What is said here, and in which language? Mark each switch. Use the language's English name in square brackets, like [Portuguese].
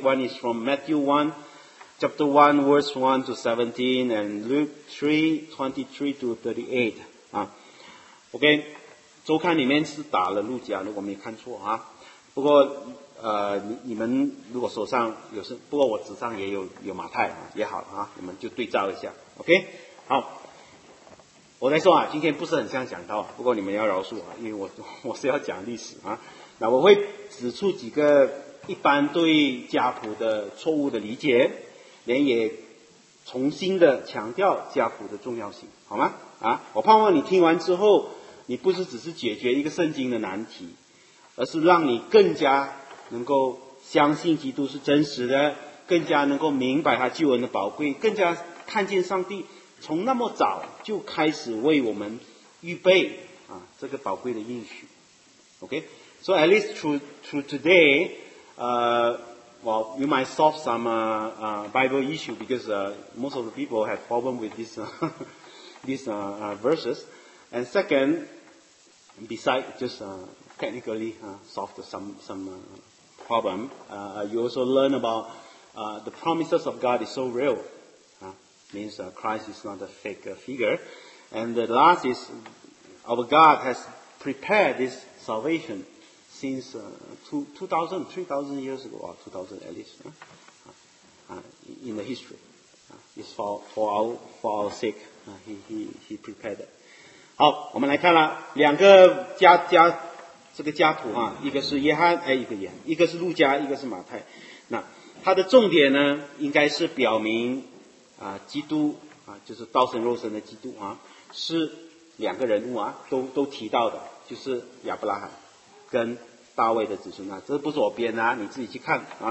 [English] One is from Matthew 1, chapter 1, verse 1 to 17, and Luke 3, 23 to 38. [Chinese] OK, 周刊里面是打了路加，如果没看错不过你们如果手上有是，不过我纸上也有马太也好你们就对照一下。 OK, 好，我在说今天不是很像讲到，不过你们要饶恕因为我是要讲历史那我会指出几个一般对家谱的错误的理解，连也重新的强调家谱的重要性，好吗？我盼望你听完之后，你不是只是解决一个圣经的难题，而是让你更加能够相信基督是真实的，更加能够明白他救恩的宝贵，更加看见上帝从那么早就开始为我们预备这个宝贵的应许。 [English] OK, So at least through today well, you might solve some Bible issue because most of the people have problem with this verses. And second, besides just technically solve some problem, you also learn about the promises of God is so real. Means Christ is not a fake figure. And the last is our God has prepared this salvation since 2,000 years ago, or 2,000 at least, in the history. It's for our sake. He prepared it. [Chinese] 好，我们来看了两个家这个家谱一个是约翰，一个是路加，一个是马太。那它的重点呢，应该是表明基督就是道成肉身的基督是两个人物都提到的，就是亚伯拉罕跟大卫的子孙这不是我编你自己去看